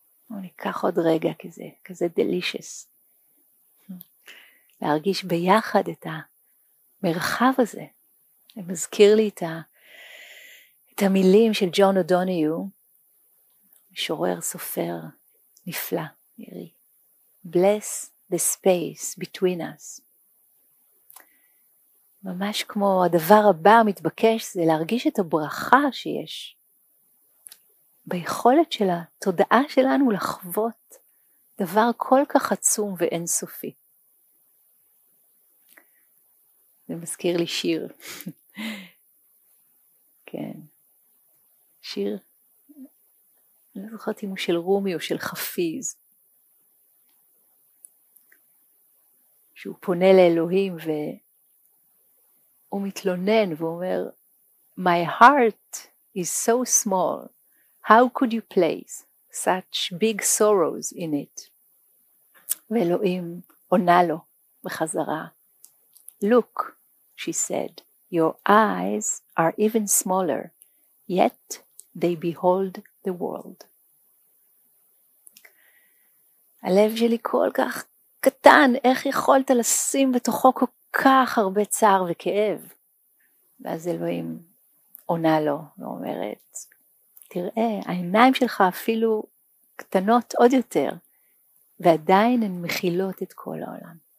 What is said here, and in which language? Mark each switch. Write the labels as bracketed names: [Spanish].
[Hebrew] בואו ניקח עוד רגע כזה delicious. להרגיש ביחד את המרחב הזה. זה מזכיר לי את המילים של ג'ון אודוניו, משורר סופר נפלא, נראי. [English] Bless the space between us. [Hebrew] ממש כמו הדבר הבא המתבקש, זה להרגיש את הברכה שיש ביכולת של התודעה שלנו לחוות דבר כל כך עצום ואינסופי. זה מזכיר לי שיר. כן. שיר, לא זוכרת אם הוא של רומי או של חפיז. שהוא פונה לאלוהים ו... הוא מתלונן ואומר, [English] My heart is so small, how could you place such big sorrows in it? [Hebrew] ואלוהים עונה לו בחזרה, [English] Look, she said, your eyes are even smaller, yet they behold the world. [Hebrew] הלב שלי כל כך קטן, איך יכולת לשים בתוכו כל כך הרבה צער וכאב? ואז אלוהים עונה לו ואומרת, תראה, העיניים שלך אפילו קטנות עוד יותר, ועדיין הן מכילות את כל העולם.